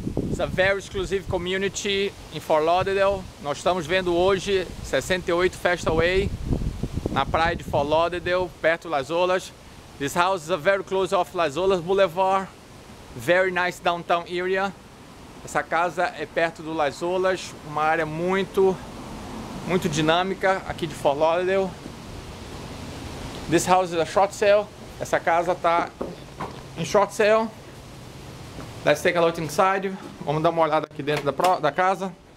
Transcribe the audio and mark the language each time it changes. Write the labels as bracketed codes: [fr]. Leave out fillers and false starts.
[en] It's a very exclusive community in Fort Lauderdale. [pt] Nós estamos vendo hoje 68 Fiesta Way na praia de Fort Lauderdale, perto de Las Olas. [en] This house is a very close off Las Olas Boulevard. Very nice downtown area. [pt] Essa casa é perto do Las Olas, uma área muito, muito dinâmica aqui de Fort Lauderdale. [en] This house is a short sale. [pt] Essa casa tá em short sale. [en] Let's take a look inside. [pt] Vamos dar uma olhada aqui dentro da casa.